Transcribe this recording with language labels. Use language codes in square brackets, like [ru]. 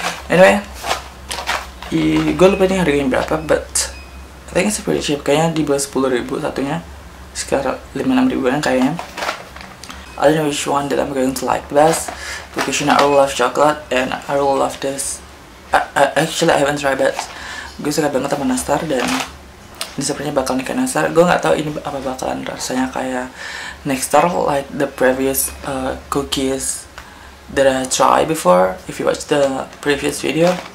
[en] Anyway, [id] gue lupa nih harganya berapa, [en] but I think it's pretty cheap. [id] Kayaknya di bawah 10.000 satunya. Sekarang 5-6 ribuan kayaknya. [en] I don't know which one that I'm going to like best, because you know I really love chocolate and I really love this. Actually I haven't tried, [id] but gue suka banget sama nastar, dan ini sepertinya bakal nih kayak nastar. Gue gak tau ini apa bakalan rasanya kayak nastar [en] like the previous cookies that I tried before, if you watch the previous video.